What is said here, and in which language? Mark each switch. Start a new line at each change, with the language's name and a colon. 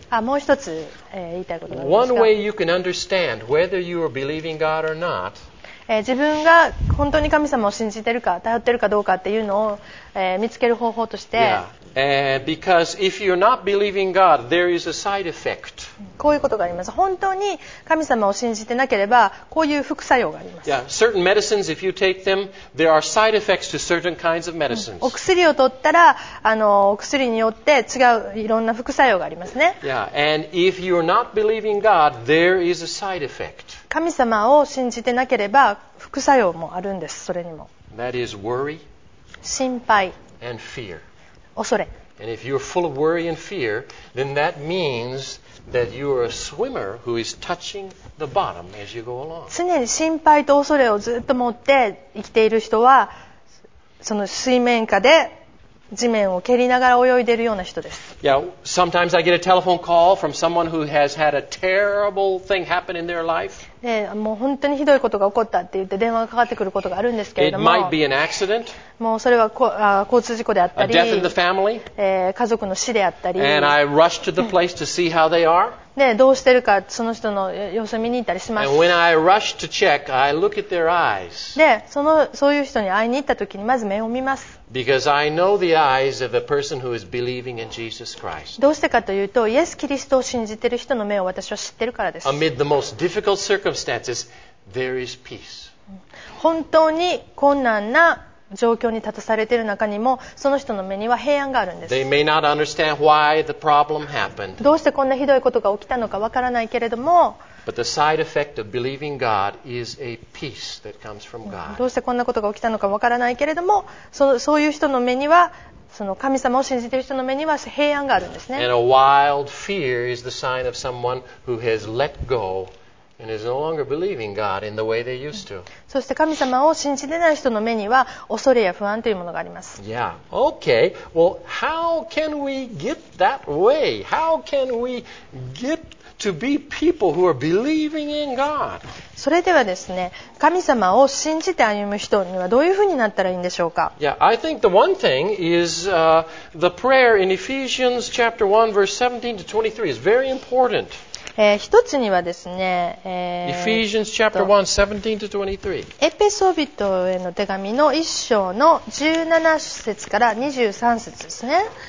Japanese: あ、もう一つ、言いたいことがあります。
English: One way you can understand whether you are believing God or not.
Japanese: 自分が本当に神様を信じてるか頼ってるかどうかっていうのを、見つける方法として、
English: yeah. Because if you're not believing God, there is a side effect.
Japanese: こういうことがあります。本当に神様を信じてなければ、こういう副作用があります。
English: Yeah, certain medicines, if you take them, there are side effects to certain kinds of medicines.
Japanese: お薬を取ったら、お薬によって違ういろんな副作用がありますね。
English: Yeah, and if you're not believing God, there is a side effect.
Japanese: 神様を信じてなければ、副作用もあるんです、それにも。
English: That is worry.
Japanese: 心配。
English: And fear.
Japanese: 恐れ。
English: And if you're full of worry and fear, then that means that you're a swimmer who is touching the bottom as you go along.
Japanese: 常に心配と恐れをずっと持って生きている人は、その水面下で地面を蹴りながら泳いでいるような人です。
English: Yeah, sometimes I get a telephone call from someone who has had a terrible thing happen in their life.
Japanese: で、もう本当にひどいことが起こったって言って電話がかかってくることがあるんですけれども。
English: It might be an accident.
Japanese: もうそれは交通事故であったり、
English: a death in the family.
Japanese: 家族の死であったり。
English: And I rush to the place to see how they are.
Japanese: で、どうしてるかその人の様子を見に行ったりします。
English: And when I rush to check, I look at their eyes.
Japanese: で、そういう人に会いに行った時にまず目を見ます。
English: Because I know the eyes of a person who is believing in Jesus Christ.
Japanese: どうしてかというと、イエス・キリストを信じてる人の目を私は知ってるからです。
English: Amid the most difficult circumstances, there is peace.
Japanese: 本当に困難な状況に立たされている中にも、その人の目には平安があるんです。
English: They may not understand why the problem happened.
Japanese: どうしてこんなひどいことが起きたのかわからないけれども、
English: But the side effect of believing God is a peace that comes from God.
Japanese: どうしてこんなことが起きたのかわからないけれども、そういう人の目にはその神様を信じている人の目には平安があるんですね。
English: And a wild fear is the sign of someone who has let go and is no longer believing God in the way they used to.
Japanese: そして神様を信じてない人の目には恐れや不安というものがあります。
English: Yeah. Okay. Well, how can we get that way? How can we get To be people who are believing in God.
Japanese: それではですね、神様を信じて歩む人にはどういうふうになったらいいんでしょうか。
English: Yeah, I think the one thing is the prayer in Ephesians chapter 1 verse 17 to 23 is very important.
Japanese: 一つにはですね、
English: Ephesians chapter 1 17 to 23.
Japanese: エペソ人への手紙の1章の17節から23節ですね。